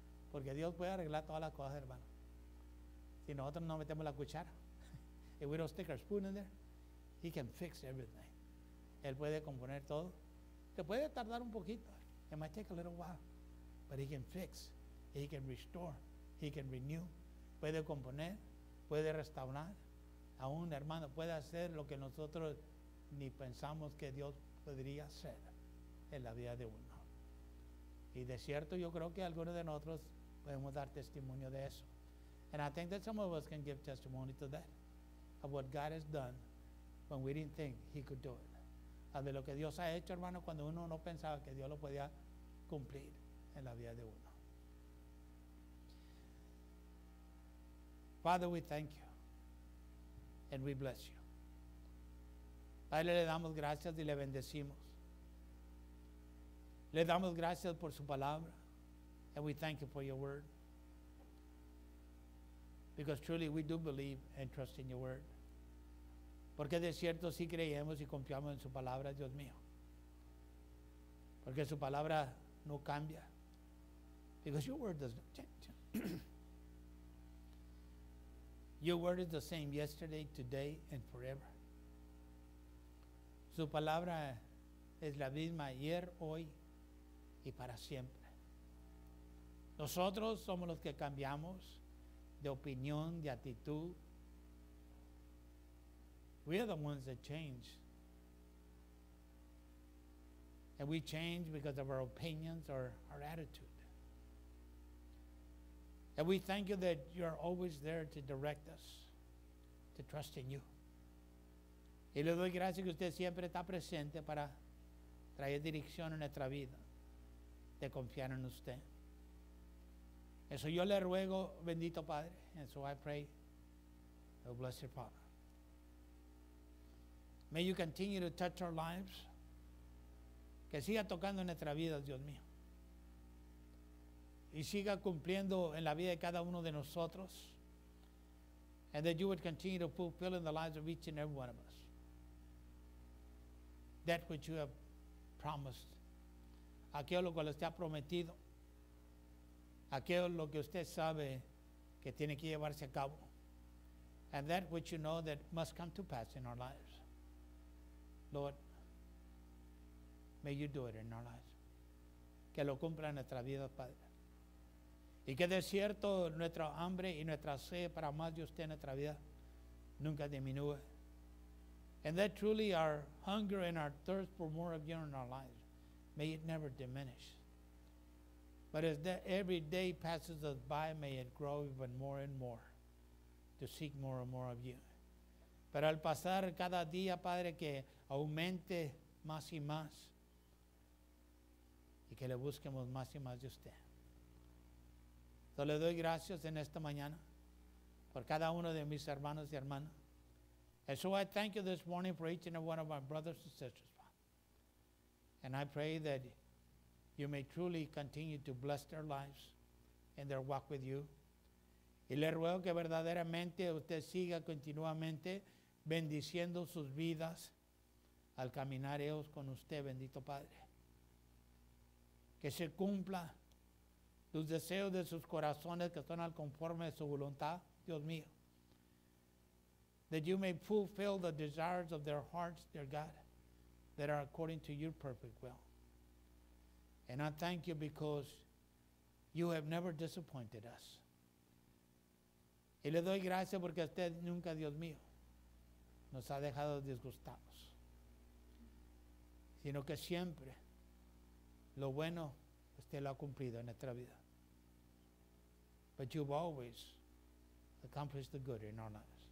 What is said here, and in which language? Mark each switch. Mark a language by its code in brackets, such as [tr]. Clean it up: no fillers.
[es] Porque Dios puede arreglar todas las cosas, hermano. Y nosotros no metemos la cuchara. [en] If we don't stick our spoon in there, He can fix everything. [es] Él puede componer todo. Te puede tardar un poquito. [en] It might take a little while. But He can fix. He can restore. He can renew. [es] Puede componer. Puede restaurar. Aún, hermano, puede hacer lo que nosotros ni pensamos que Dios podría hacer en la vida de uno. Y de cierto, yo creo que algunos de nosotros podemos dar testimonio de eso. [en] And I think that some of us can give testimony to that, of what God has done when we didn't think He could do it. [es] De lo que Dios ha hecho, hermano, cuando uno no pensaba que Dios lo podía cumplir en la vida de uno. [en] Father, we thank You. And we bless You. [es] Padre, le damos gracias y le bendecimos. Le damos gracias por Su palabra. [en] And we thank You for Your word. Because truly we do believe and trust in Your word. [es] Porque de cierto sí creemos y confiamos en Su palabra, Dios mío. Porque Su palabra no cambia. [en] Because Your word does not change. Your word is the same yesterday, today, and forever. [es] Su palabra es la misma ayer, hoy, y para siempre. Nosotros somos los que cambiamos de opinión, de actitud. [en] We are the ones that change. And we change because of our opinions or our attitude. And we thank You that You're always there to direct us, to trust in You. [es] Y le doy gracias que usted siempre está presente para traer dirección a nuestra vida, de confiar en usted. Eso yo le ruego, bendito Padre. [en] And so I pray, oh, bless your Father. May you continue to touch our lives. [es] Que siga tocando nuestra vida, Dios mío. Y siga cumpliendo en la vida de cada uno de nosotros. [en] And that you would continue to fulfill in the lives of each and every one of us that which you have promised. [es] Aquello que usted ha prometido. Aquello que usted sabe que tiene que llevarse a cabo. [en] And that which you know that must come to pass in our lives. Lord, may you do it in our lives. [es] Que lo cumpla en nuestra vida, Padre. Y que de cierto nuestra hambre y nuestra sed para más de usted en nuestra vida nunca disminuye. [en] And that truly our hunger and our thirst for more of you in our lives, may it never diminish. But as that every day passes us by, may it grow even more and more to seek more and more of you. [es] Pero al pasar cada día, Padre, que aumente más y más y que le busquemos más y más de usted. Yo le doy gracias en esta mañana por cada uno de mis hermanos y hermanas. [en] And so I thank you this morning for each and every one of my brothers and sisters, Father. And I pray that you may truly continue to bless their lives and their walk with you. [es] Y le ruego que verdaderamente usted siga continuamente bendiciendo sus vidas al caminar ellos con usted, bendito Padre. Que se cumpla los deseos de sus corazones que son al conforme de su voluntad, Dios mío. [en] That you may fulfill the desires of their hearts, dear God, that are according to your perfect will. And I thank you because you have never disappointed us. [es] Y le doy gracias porque usted nunca, Dios mío, nos ha dejado disgustados. Sino que siempre lo bueno usted lo ha cumplido en nuestra vida. [en] But you've always accomplished the good in our lives.